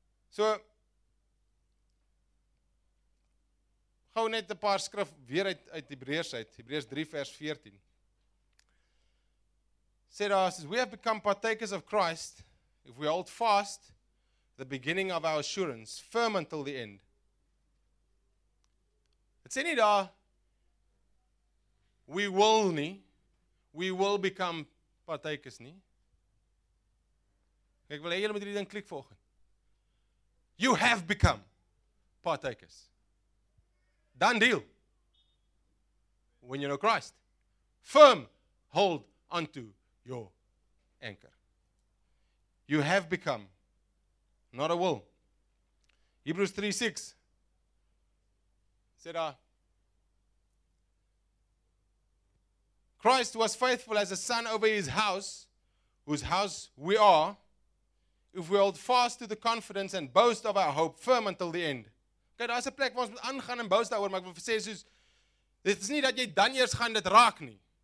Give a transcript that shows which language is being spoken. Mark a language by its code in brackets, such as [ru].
[af] So, hou net 'n paar skrif weer uit Hebreërs uit, Hebreërs 3 vers 14. Sê daar, [en] says, we have become partakers of Christ, if we hold fast the beginning of our assurance, firm until the end. [af] Het sê nie daar, [en] we will [af] nie, [en] we will become partakers [af] nie. Ek wil hê julle moet hierdie ding klik volg. [en] You have become partakers. Done deal. When you know Christ. Firm hold onto your anchor. You have become. Not a will. Hebrews 3:6. Said, Christ was faithful as a son over his house, whose house we are, if we hold fast to the confidence and boast of our hope firm until the end. [af] Okay, daar is 'n plek waar ons moet aangaan en boos daaroor, maar ek wil vir sê soos, dit is nie dat jy dan eers gaan dit raak nie.